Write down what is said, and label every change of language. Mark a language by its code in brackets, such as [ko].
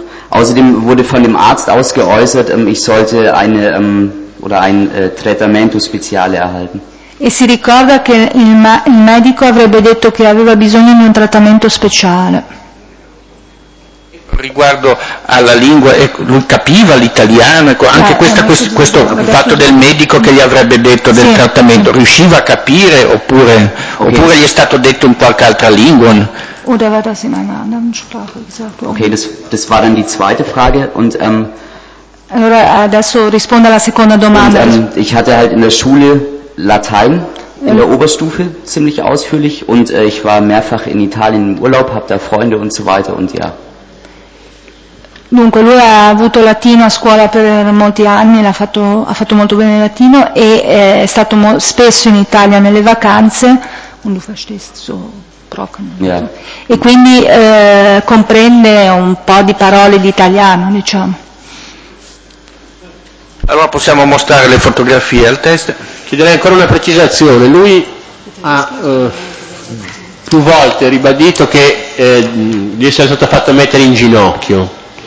[de] Außerdem wurde von dem Arzt aus geäußert, ich sollte ein [it] Trattamento speciale [de] erhalten. [it] E si ricorda che il medico avrebbe detto che aveva bisogno di un trattamento speciale. Riguardo alla lingua, lui capiva l'italiano, ecco, anche questo fatto del medico che gli avrebbe detto del trattamento, riusciva a capire oppure gli è stato detto in qualche altra lingua? [de] Oder war das in einer anderen Sprache gesagt worden? Okay, das war dann die zweite Frage und [it] allora adesso rispondo alla seconda domanda. [de] Und, ich hatte halt in der Schule Latein in der Oberstufe ziemlich ausführlich und ich war mehrfach in Italien im Urlaub, habe da Freunde und so weiter und ja. [it] Dunque lui ha avuto latino a scuola per molti anni, ha fatto molto bene il latino e è stato spesso in Italia nelle vacanze. [de] Und du verstehst so trocken, yeah. [it] E quindi comprende un po' di parole di italiano, diciamo. Allora possiamo mostrare le fotografie al test. Chiederei ancora una precisazione. Lui ha più volte ribadito che gli è stato fatto mettere in ginocchio.